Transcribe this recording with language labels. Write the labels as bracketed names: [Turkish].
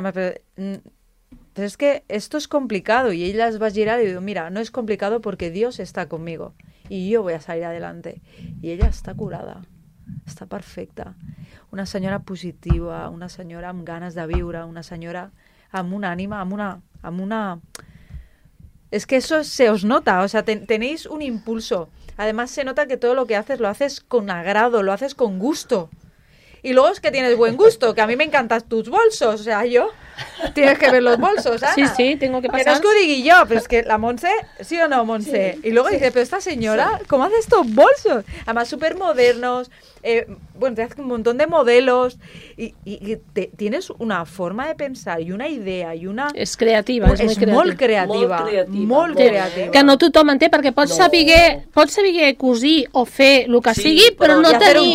[Spanish] Pues es que esto es complicado. Y ella es va a girar y digo, mira, no es complicado porque Dios está conmigo y yo voy a salir adelante. Y ella está curada, está perfecta. [Catalan] Una senyora positiva, una senyora amb ganes de viure, una senyora amb una ànima, amb una... [Spanish] Es que eso se os nota, o sea, tenéis un impulso. Además se nota que todo lo haces con agrado, lo haces con gusto. Y luego es que tienes buen gusto, que a mí me encantan tus bolsos, o sea, yo... Tienes que ver los bolsos, Ana. Sí, sí, tengo que pasar. Que no es que lo digui yo, pero es que la Montse, ¿sí o no, Montse? Sí, y luego sí. Dice, pero esta señora, sí. ¿Cómo hace estos bolsos? Además, súper modernos, bueno, te hace un montón de modelos y tienes una forma de pensar y una idea y una... Es creativa, pues, [Catalan] es molt creativa. Molt creativa. Que no tothom en té, perquè pots saber cosir o fer el que sí, sigui, però no tenir...